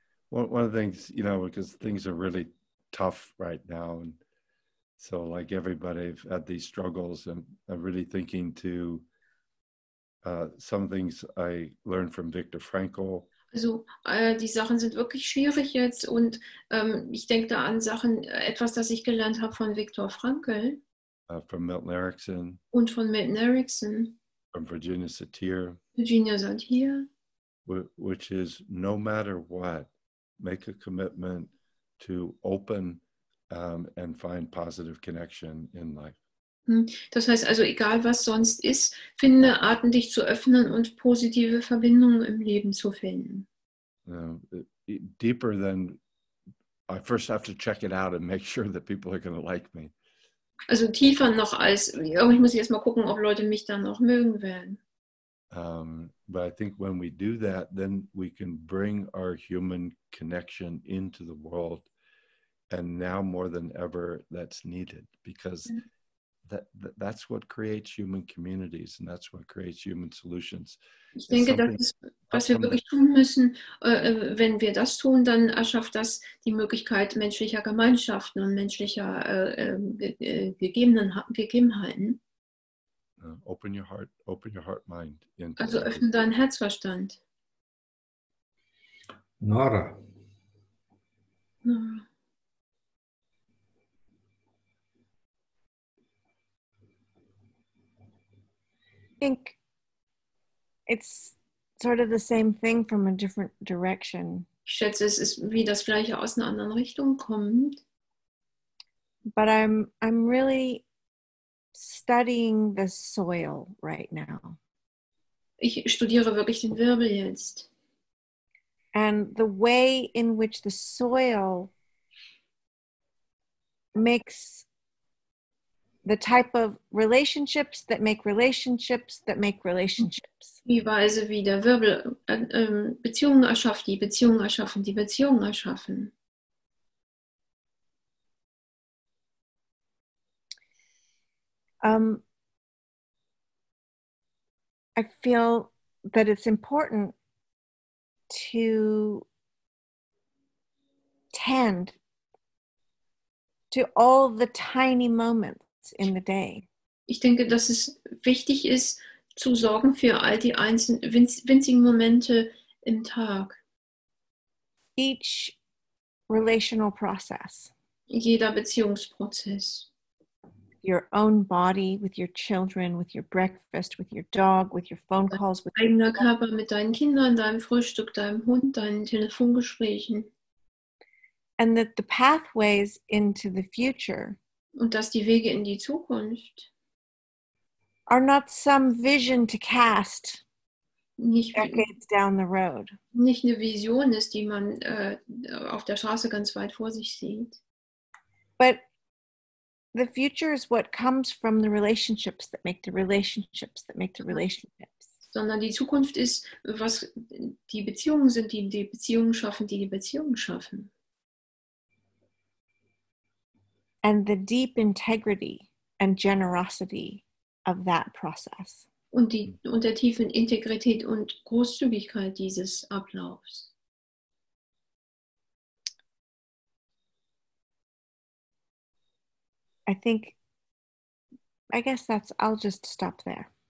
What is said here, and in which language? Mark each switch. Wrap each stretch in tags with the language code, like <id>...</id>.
<en>One of the things, you know, because things are really tough right now. And so like everybody, I've had these struggles, and I'm really thinking to some things I learned from Viktor Frankl.</en> <de>Also die Sachen sind wirklich schwierig jetzt, und ich denke da an Sachen, etwas, das ich gelernt habe von Viktor Frankl.</de> <en>From Milton Erickson.</en> <de>Und von Milton Erickson.</de> <en>From Virginia Satir.</en> <de>Virginia Satir.</de> <en>Which is, no matter what, make a commitment to open and find positive connection in life.</en> <de>Das heißt also, egal was sonst ist, finde Arten, dich zu öffnen und positive Verbindungen im Leben zu finden.</de> <en>Deeper than, I first have to check it out and make sure that people are going to like me.</en> <de>Also tiefer noch als, ich muss erst mal gucken, ob Leute mich dann auch mögen werden.</de> <en>But I think when we do that, then we can bring our human connection into the world. And now more than ever, that's needed, because that's what creates human communities, and that's what creates human solutions.</en> <de>Ich denke, das ist, was wir wirklich tun müssen. Wenn wir das tun, dann erschafft das die Möglichkeit menschlicher Gemeinschaften und menschlicher Gegebenheiten.</de> <en>Open your heart, mind.</en> <de>Also öffne deinen Herzverstand.</de> <en>Nora. I think it's sort of the same thing from a different direction.</en> <de>Ich schätze, es ist wie das Gleiche aus einer anderen Richtung kommt.</de> <en>But I'm really studying the soil right now.</en> <de>Ich studiere wirklich den Wirbel jetzt.</de> <en>And the way in which the soil makes the type of relationships that make relationships that make relationships.</en> <de>Die Weise, wie der Wirbel Beziehungen erschafft, die Beziehungen erschaffen, die Beziehungen erschaffen.</de> <en>I feel that it's important to tend to all the tiny moments in the day.</en> <de>Ich denke, dass es wichtig ist, zu sorgen für all die einzelnen winzigen Momente im Tag.</de> <en>Each relational process.</en> <de>Jeder Beziehungsprozess.</de> <en>your own body, with your children, with your breakfast, with your dog, with your phone calls, with</en> <de>eigener Körper, mit deinen Kindern, deinem Frühstück, deinem Hund, deinen Telefongesprächen.</de> <en>And that the pathways into the future,</en> <de>und dass die Wege in die Zukunft,</de> <en>are not some vision to cast,</en> <de>nicht</de> <en>decades down the road.</en> <de>Nicht eine Vision ist, die man auf der Straße ganz weit vor sich sieht.</de> <en>But the future is what comes from the relationships that make the relationships that make the relationships.</en> <de>Sondern die Zukunft ist, was die Beziehungen sind, die die Beziehungen schaffen, die die Beziehungen schaffen.</de> <en>And the deep integrity and generosity of that process.</en> <de>Und die und der tiefen Integrität und Großzügigkeit dieses Ablaufs.</de> <en>I'll just stop there.</en>